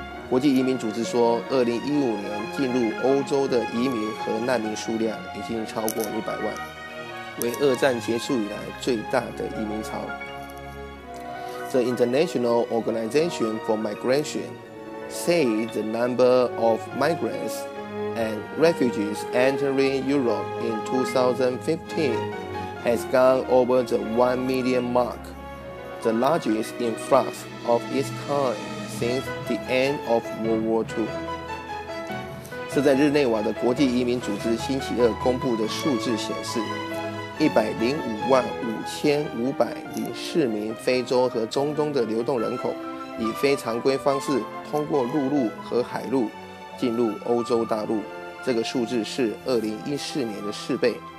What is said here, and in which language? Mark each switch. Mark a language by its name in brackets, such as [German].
[Chinese] 国际移民组织说2015年进入欧洲的移民和难民数量已经超过100万，为二战结束以来最大的移民潮。 [English] The International Organization for Migration says the number of migrants and refugees entering Europe in 2015 has gone over the 1 million mark, the largest influx of its kindsince the end of World War II。 [Chinese] 是在日内瓦的国际移民组织星期二公布的数字显示，105万5504名非洲和中东的流动人口以非常规方式通过陆路和海路进入欧洲大陆，这个数字是2014年的四倍。